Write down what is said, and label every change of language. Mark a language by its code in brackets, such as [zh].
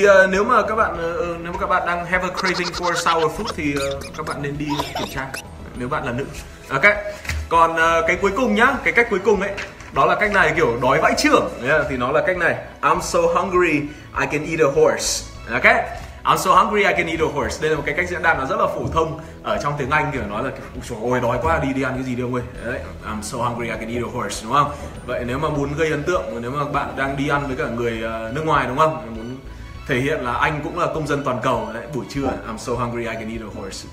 [vi] Nếu mà các bạn đang [en] have a craving for sour food [vi] thì các bạn nên đi kiểm tra nếu bạn là nữ. Ok. Còn cái cuối cùng nhá, cái cách cuối cùng ấy, đó là cách này kiểu đói vãi chưởng. Yeah, thì nó là cách này. [en] I'm so hungry I can eat a horse. Ok. I'm so hungry I can eat a horse. [vi] Đây là một cái cách diễn đạt nó rất là phổ thông ở trong tiếng Anh, kiểu nói là trời ơi đói quá đi ăn cái gì đi ông ơi. Đấy, [en] I'm so hungry I can eat a horse, [vi] đúng không? Vậy nếu mà muốn gây ấn tượng, nếu mà bạn đang đi ăn với cả người nước ngoài đúng không? Muốn thể hiện là anh cũng là công dân toàn cầu đấy, buổi trưa [en] I'm so hungry I can eat a horse.